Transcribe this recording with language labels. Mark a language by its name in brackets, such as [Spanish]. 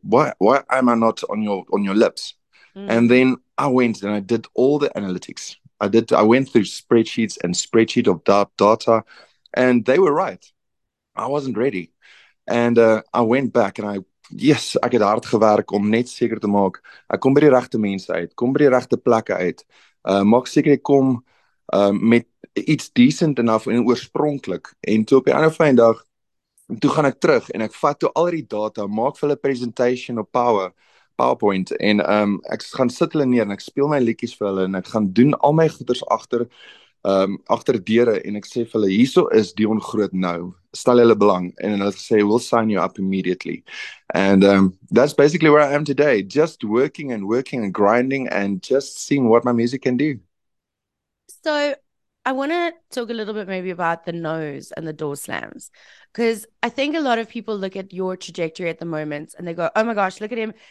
[English] Why am I not on your lips? Mm. And then I went and I did all the analytics. I went through spreadsheets and spreadsheet of data, and they were right. I wasn't ready. And I went back and I [Afrikaans] Yes, ek het hard gewerk om net seker te maak. Ek kom by die regte mense uit, kom by die regte plekke uit. Maak seker ek kom met iets [English] decent enough [Afrikaans] en oorspronklik. En toe op die ander vyandag, toe gaan ek terug en ek vat toe al die data, maak vir hulle presentation op PowerPoint en ek gaan sit hulle neer en ek speel my liedjies vir hulle en ek gaan doen al my goeders agter agter deure en ek sê vir hulle hierso is Deon Groot nou. Stel hulle belang en hulle sê [English] we'll sign you up immediately. And that's basically where I am today, just working and working and grinding and just seeing what my music can do. So I want to talk a little bit maybe about the no's and the door slams, because I think a lot of people look at your trajectory at the moment and they go, oh my gosh, look at him.